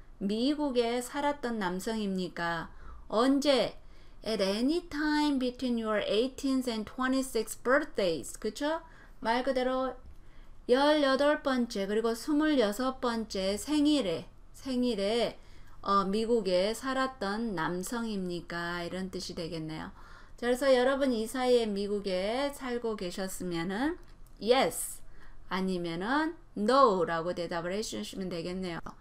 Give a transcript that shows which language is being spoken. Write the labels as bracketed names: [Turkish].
[Korean] 미국에 살았던 남성입니까? 언제? [English] At any time between your 18th and 26th birthdays. [Korean] 그쵸? 말 그대로 18번째 그리고 26번째 생일에 미국에 살았던 남성입니까? 이런 뜻이 되겠네요. 그래서 여러분 이 사이에 미국에 살고 계셨으면은 Yes 아니면은 No라고 대답을 해주시면 되겠네요.